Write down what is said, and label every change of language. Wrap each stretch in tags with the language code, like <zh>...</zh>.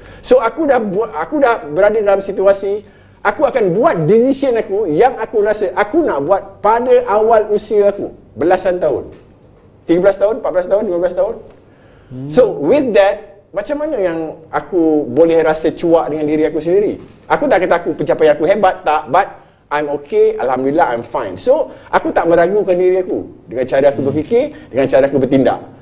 <ms>So, aku dah berada dalam situasi. Aku akan buat decision aku yang aku rasa aku nak buat pada awal usia aku. Belasan tahun. 13 tahun, 14 tahun, 15 tahun.</ms> <en>So, with that,</en> <ms>macam mana yang aku boleh rasa cuak dengan diri aku sendiri? Aku tak kata aku pencapaian aku hebat, tak.</ms> <en>But I'm okay, alhamdulillah, I'm fine.</en> <ms>So, aku tak meragukan diri aku dengan cara aku berfikir, dengan cara aku bertindak.</ms>